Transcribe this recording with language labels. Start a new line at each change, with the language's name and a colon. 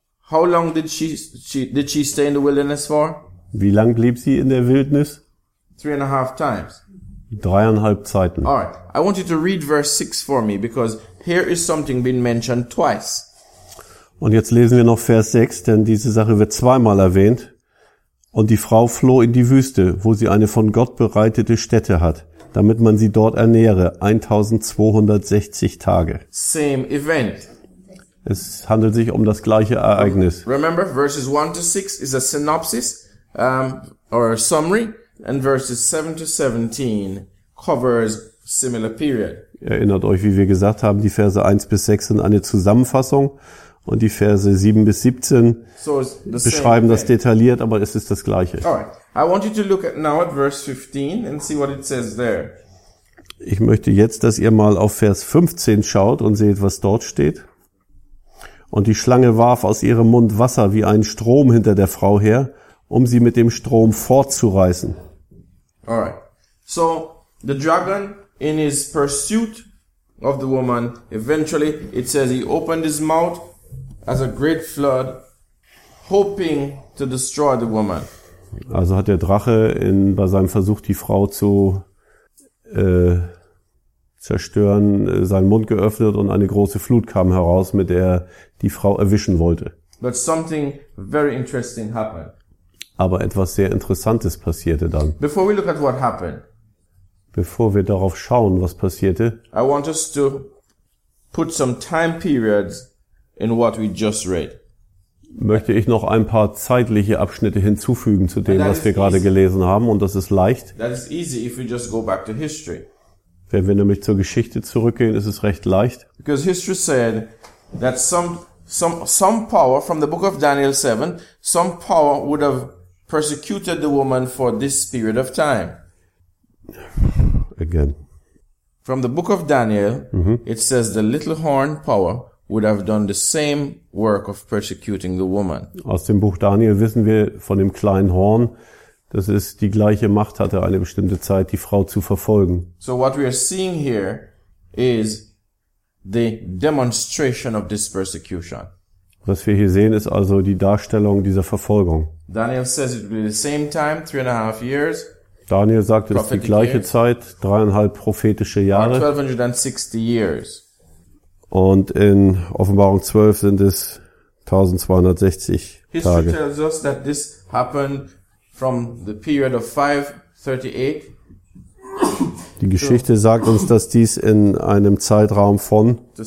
English: How long did she stay in the wilderness for?
German: Wie lang blieb sie in der Wildnis?
English: 3.5 times.
German: Dreieinhalb Zeiten.
English: All right. I want you to read verse 6 for me, because here is something being mentioned twice.
German: Und jetzt lesen wir noch Vers 6, denn diese Sache wird zweimal erwähnt. Und die Frau floh in die Wüste, wo sie eine von Gott bereitete Stätte hat, damit man sie dort ernähre, 1260 Tage.
English: Same event.
German: Es handelt sich um das gleiche Ereignis.
English: Remember, verses 1 to 6 is a synopsis, or a summary. And verses 7 to 17 covers similar period.
German: Erinnert euch, wie wir gesagt haben, die Verse 1 bis 6 sind eine Zusammenfassung und die Verse 7 bis 17 beschreiben das detailliert, aber es ist das gleiche.
English: All right. I want you to look at now at verse 15 and see what it says there.
German: Ich möchte jetzt, dass ihr mal auf Vers 15 schaut und seht, was dort steht. Und die Schlange warf aus ihrem Mund Wasser wie einen Strom hinter der Frau her, um sie mit dem Strom fortzureißen.
English: Alright. So, the dragon, in his pursuit of the woman, eventually, it says he opened his mouth as a great flood, hoping to destroy the woman.
German: Also hat der Drache bei seinem Versuch, die Frau zu zerstören, seinen Mund geöffnet und eine große Flut kam heraus, mit der er die Frau erwischen wollte.
English: But something very interesting happened.
German: Aber etwas sehr Interessantes passierte dann.
English: Before we look at what happened,
German: bevor wir darauf schauen, was passierte,
English: I want us to put some time periods in what we just read.
German: Möchte ich noch ein paar zeitliche Abschnitte hinzufügen zu dem, was wir gerade gelesen haben, und das ist leicht.
English: That is easy if we just go back to history.
German: Wenn wir nämlich zur Geschichte zurückgehen, ist es recht leicht.
English: Because history said that some power from the book of Daniel 7, some power would have persecuted the woman for this period of time. Again. From the book of Daniel, It says the little horn power would have done the same work of persecuting the woman.
German: Aus dem Buch Daniel wissen wir von dem kleinen Horn, dass es die gleiche Macht hatte, eine bestimmte Zeit die Frau zu verfolgen.
English: So what we are seeing here is the demonstration of this persecution.
German: Was wir hier sehen, ist also die Darstellung dieser Verfolgung.
English: Daniel says it will be the same time, 3.5 years.
German: Daniel sagt, es ist die gleiche Zeit, 3.5 prophetische Jahre.
English: 1260 years.
German: Und in Offenbarung 12 sind es 1260 Tage.
English: History tells us that this happened from the period of 538.
German: Die Geschichte sagt uns, dass dies in einem Zeitraum von